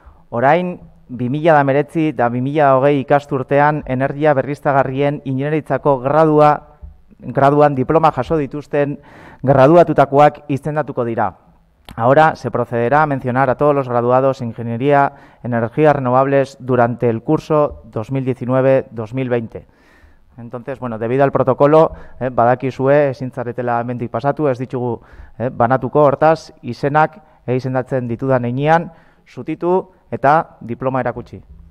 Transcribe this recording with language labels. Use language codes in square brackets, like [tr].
[eu] Orain, 2019 eta 2020 ikasturtean energia berriztagarrien ingineritzako graduan diploma jaso dituzten graduatutakoak izendatuko dira. [es] Ahora se procederá a mencionar a todos los graduados en ingeniería energías renovables durante el curso 2019-2020. Entonces, bueno, debido al protocolo, [eu] badakizue, ezin zaretela hemendik pasatu, ez ditugu banatuko, hortaz, izenak izendatzen ditudan heinean, zutitu eta diploma erakutsi.